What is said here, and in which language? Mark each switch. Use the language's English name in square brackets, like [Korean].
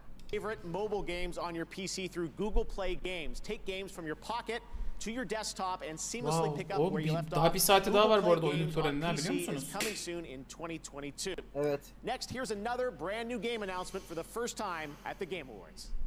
[English] Favorite mobile games on your PC through Google Play Games. Take games from your pocket to your desktop and seamlessly pick up where you left off. [Turkish] Daha bir saate daha var bu arada oyunun töreninde, biliyor musunuz? [English] Coming soon in 2022. [Turkish] Evet. [English] Next, here's another brand new game announcement for the first time at the Game Awards.